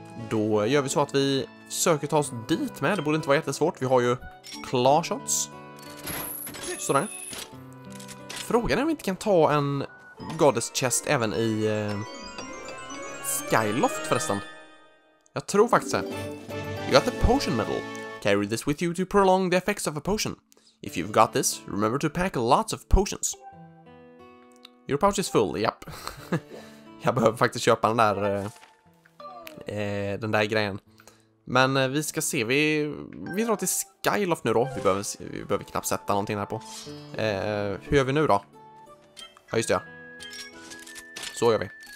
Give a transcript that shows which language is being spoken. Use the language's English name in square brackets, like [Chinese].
[Swedish] Då gör vi så att vi söker ta oss dit med. Det borde inte vara jättesvårt. Vi har ju claw shots. Sådär. Frågan är om vi inte kan ta en goddess chest även i Skyloft förresten. Jag tror faktiskt det. [English] You got the potion medal. Carry this with you to prolong the effects of a potion. If you've got this, remember to pack lots of potions. Your pouch is full, yep. [Swedish] Jag behöver faktiskt köpa den där grejen. Men vi ska se, vi drar till Skyloft nu då. Vi behöver knappt sätta någonting här på. Hur gör vi nu då? Ja, just det. Ja. Så gör vi.